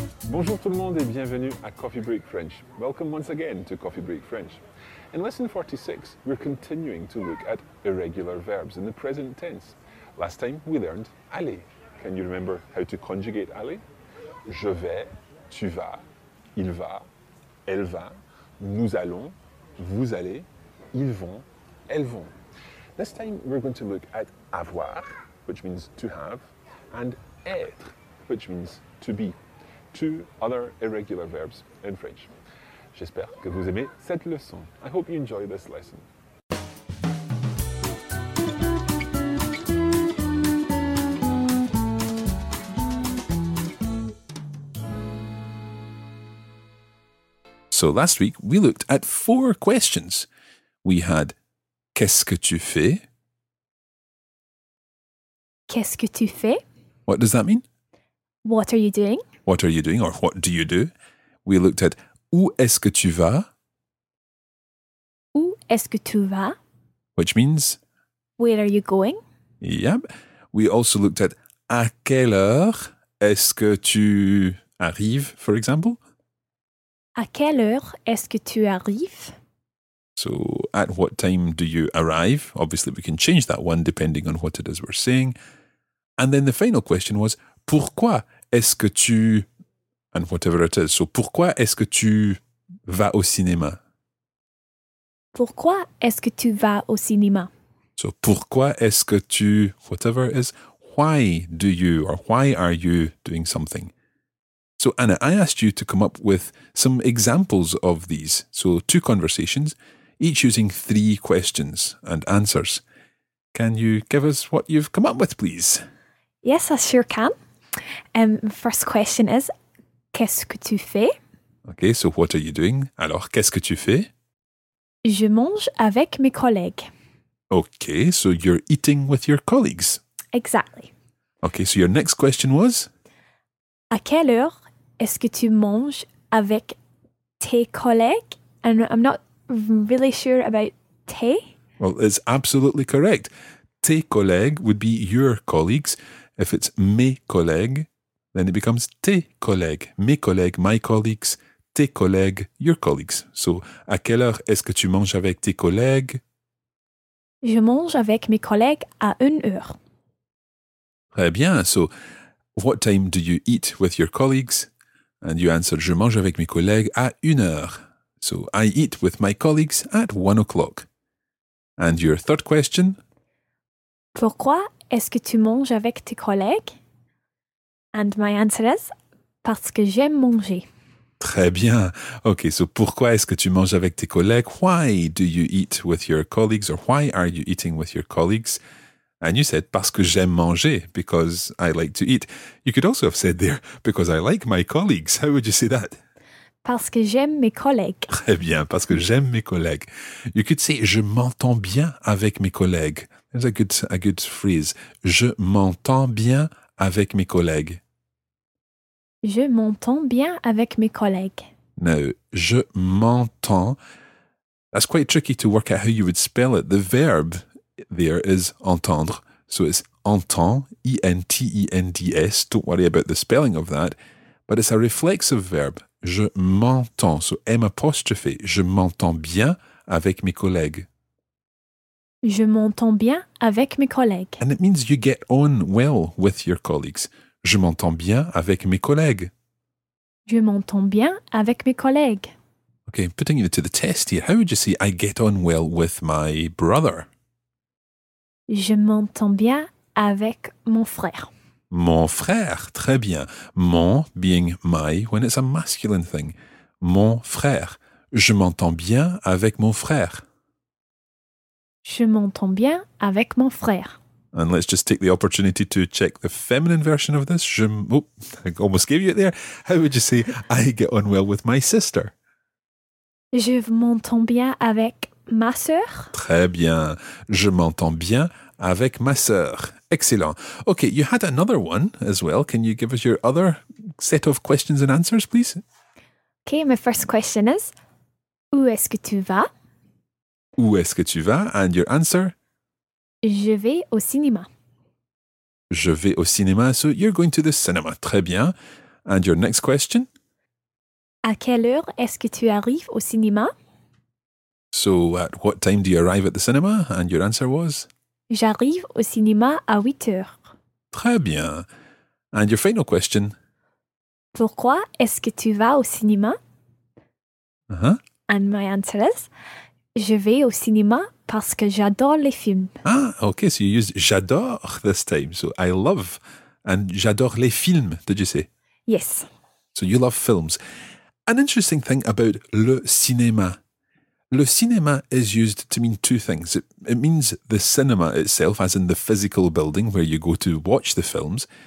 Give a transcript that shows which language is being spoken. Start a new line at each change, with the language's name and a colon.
French: Bonjour tout le monde et bienvenue à Coffee Break French.
English: Welcome once again to Coffee Break French. In lesson 46, we're continuing to look at irregular verbs in the present tense. Last time, we learned aller. Can you remember how to conjugate aller?
French: Je vais, tu vas, il va, elle va, nous allons, vous allez, ils vont, elles vont.
English: This time, we're going to look at avoir, which means to have, and être, which means to be. Two other irregular verbs in French.
French: J'espère que vous aimez cette leçon.
English: I hope you enjoy this lesson. So last week, we looked at four questions. We had,
French: qu'est-ce que tu fais? Qu'est-ce que tu fais?
English: What does that mean? What are you doing? What are you doing or what do you do? We looked at
French: où est-ce que tu vas? Où est-ce que tu vas?
English: Which means where are you going? Yep. We also looked at
French: à quelle heure est-ce que tu arrives,
English: for example?
French: À quelle heure est-ce que tu arrives?
English: So at what time do you arrive? Obviously, we can change that one depending on what it is we're saying. And then the final question was pourquoi?
French: Est-ce que tu...
English: And whatever it is. So,
French: pourquoi est-ce que tu vas au cinéma? Pourquoi est-ce que tu vas au cinéma? So, pourquoi est-ce que tu...
English: Whatever it is. Why do you or why are you doing something? So, Anna, I asked you to come up with some examples of these. So, two conversations, each using three questions and answers. Can you give us what you've come up with, please? Yes, I sure can. First question is,
French: qu'est-ce que tu fais?
English: Okay, so what are you doing?
French: Alors, qu'est-ce que tu fais? Je mange avec mes collègues.
English: Okay, so you're eating with your colleagues. Exactly. Okay, so your next question was?
French: À quelle heure est-ce que tu manges avec tes collègues?
English: And I'm not really sure about tes. Well, it's absolutely correct.
French: Tes collègues
English: would be your colleagues. If it's
French: mes collègues,
English: then it becomes
French: tes collègues. Mes collègues,
English: my colleagues,
French: tes collègues,
English: your colleagues.
French: So, à quelle heure est-ce que tu manges avec tes collègues? Je mange avec mes collègues à 1 heure. Très bien.
English: So, what time do you eat with your colleagues? And you answer,
French: je mange avec mes collègues à 1 heure.
English: So, I eat with my colleagues at 1 o'clock. And your third question?
French: Pourquoi est-ce que tu manges avec tes collègues?
English: And my answer is,
French: parce que j'aime manger. Très bien. Ok, so pourquoi est-ce que tu manges avec tes collègues?
English: Why do you eat with your colleagues? Or why are you eating with your colleagues? And you said,
French: parce que j'aime manger,
English: because I like to eat. You could also have said there, because I like my colleagues. How would you say that?
French: Parce que j'aime mes collègues. Très bien, parce que j'aime mes collègues.
English: You could say,
French: je m'entends bien avec mes collègues.
English: That's a good phrase.
French: Je m'entends bien avec mes collègues. Je m'entends bien avec mes collègues. Now, je m'entends.
English: That's quite tricky to work out how you would spell it. The verb there is entendre. So it's entend, E-N-T-E-N-D-S. Don't worry about the spelling of that. But it's a reflexive verb.
French: Je m'entends.
English: So M apostrophe.
French: Je m'entends bien avec mes collègues. Je m'entends bien avec mes collègues.
English: And it means you get on well with your colleagues.
French: Je m'entends bien avec mes collègues. Je m'entends bien avec mes collègues.
English: Okay, putting you to the test here, how would you say I get on well with my brother?
French: Je m'entends bien avec mon frère. Mon frère, très bien.
English: Mon being my when it's a masculine thing.
French: Mon frère. Je m'entends bien avec mon frère. Je m'entends bien avec mon frère.
English: And let's just take the opportunity to check the feminine version of this. I almost gave you it there. How would you say, I get on well with my sister?
French: Je m'entends bien avec ma sœur. Très bien. Je m'entends bien avec ma sœur.
English: Excellent. Okay, you had another one as well. Can you give us your other set of questions and answers, please? Okay, my first question is,
French: où est-ce que tu vas? Où est-ce que tu vas?
English: And your answer?
French: Je vais au cinéma. Je vais au cinéma.
English: So you're going to the cinema.
French: Très bien.
English: And your next question?
French: À quelle heure est-ce que tu arrives au cinéma?
English: So at what time do you arrive at the cinema? And your answer was?
French: J'arrive au cinéma à 8 heures. Très bien.
English: And your final question?
French: Pourquoi est-ce que tu vas au cinéma?
English: And my answer is,
French: je vais au cinéma parce que j'adore les films.
English: Ah, okay, so you used j'adore this time. So I love and
French: j'adore les films,
English: did you say? Yes. So you love films. An interesting thing about le cinéma is used to mean two things. It means the cinema itself, as in the physical building where you go to watch the films.